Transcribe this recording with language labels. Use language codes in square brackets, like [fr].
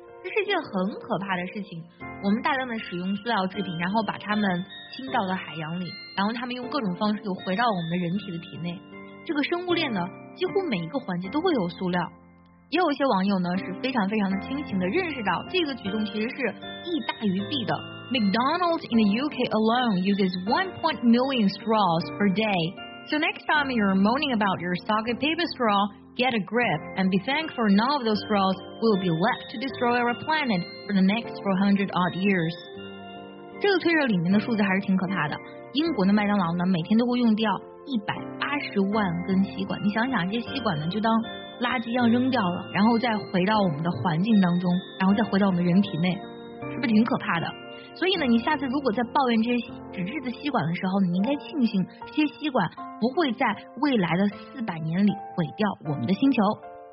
[zh] 这是件很可怕的事情，我们大量的使用塑料制品，然后把它们倾倒到海洋里，然后它们用各种方式又回到我们的人体的体内。这个生物链呢，几乎每一个环节都会有塑料。也有一些网友呢是非常非常的清醒的认识到，这个举动其实是益大于弊的。 [en] McDonald's in the UK alone uses 1.1 million straws per day. So next time you're moaning about your soggy paper straw. Get a grip and be thankful none of those straws will be left to destroy our planet for the next 400 odd years. [zh] 这个推热里面的数字还是挺可怕的。英国的麦当劳呢，每天都会用掉180万根吸管。你想想，这些吸管呢，就当垃圾一样扔掉了，然后再回到我们的环境当中，然后再回到我们人体内，是不是挺可怕的？所以呢，你下次如果在抱怨这些纸质的吸管的时候，你应该庆幸这些吸管不会在未来的400年里毁掉我们的星球。